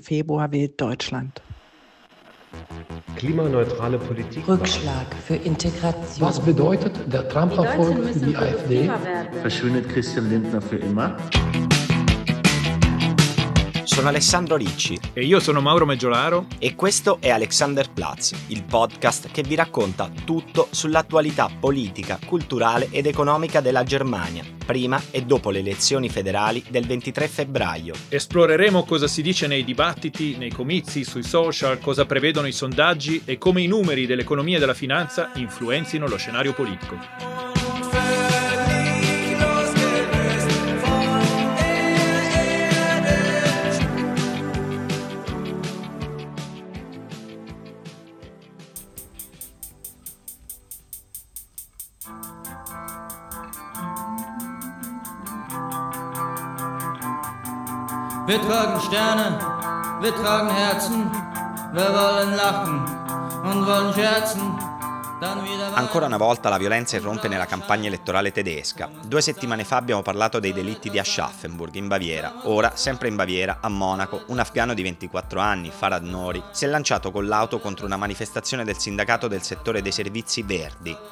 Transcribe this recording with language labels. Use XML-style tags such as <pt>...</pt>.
<de>Februar wählt Deutschland. Klimaneutrale Politik. Rückschlag für Integration. Was bedeutet der Trump-Erfolg für die AfD? Verschwindet Christian Lindner für immer?</de> <it>Sono Alessandro Ricci. E io sono Mauro Meggiolaro. E questo è Alexanderplatz, il podcast che vi racconta tutto sull'attualità politica, culturale ed economica della Germania, prima e dopo le elezioni federali del 23 febbraio. Esploreremo cosa si dice nei dibattiti, nei comizi, sui social, cosa prevedono i sondaggi e come i numeri dell'economia e della finanza influenzino lo scenario politico.</it> <de>Wir tragen Sterne, wir tragen Herzen, wir wollen lachen und wollen scherzen.</de> <it>Ancora una volta la violenza irrompe nella campagna elettorale tedesca. Due settimane fa abbiamo parlato dei delitti di Aschaffenburg in Baviera. Ora, sempre in Baviera, a Monaco, un afghano di 24 anni, Farhad Nori, si è lanciato con l'auto contro una manifestazione del sindacato del settore dei servizi verdi.</it>